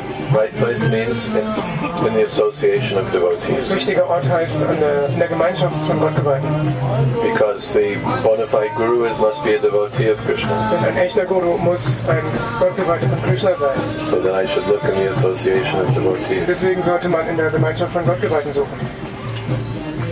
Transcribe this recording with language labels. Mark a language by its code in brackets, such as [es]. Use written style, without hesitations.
[en] Right place means in the association of devotees. [de] Richtiger Ort heißt in der Gemeinschaft von Gottgeweihten. [en] Because the bona fide guru must be a devotee of Krishna. [de] Denn ein echter Guru muss ein Gottgeweihter von Krishna sein. [en] So then I should look in the association of devotees. [de] Deswegen sollte man in der Gemeinschaft von Gottgeweihten suchen.